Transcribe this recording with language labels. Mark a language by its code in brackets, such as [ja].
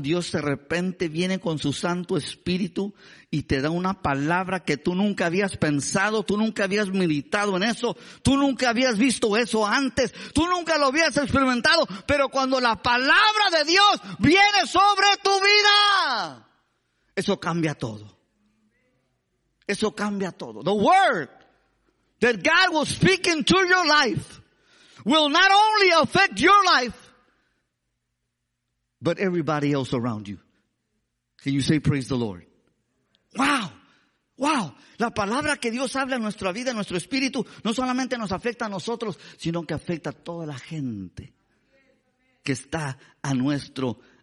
[es] Dios de repente viene con su Santo Espíritu y te da una palabra que tú nunca habías pensado, tú nunca habías meditado en eso, tú nunca habías visto eso antes, tú nunca lo habías experimentado, pero cuando la palabra de Dios viene sobre tu vida, eso cambia todo. Eso cambia todo. [en] The word that God will speak into your life will not only affect your life, but everybody else around you. Can you say praise the Lord? Wow. Wow. [es] La palabra que Dios habla en nuestra vida, en nuestro espíritu, no solamente nos afecta a nosotros, sino que afecta a toda la gente que está a nuestro...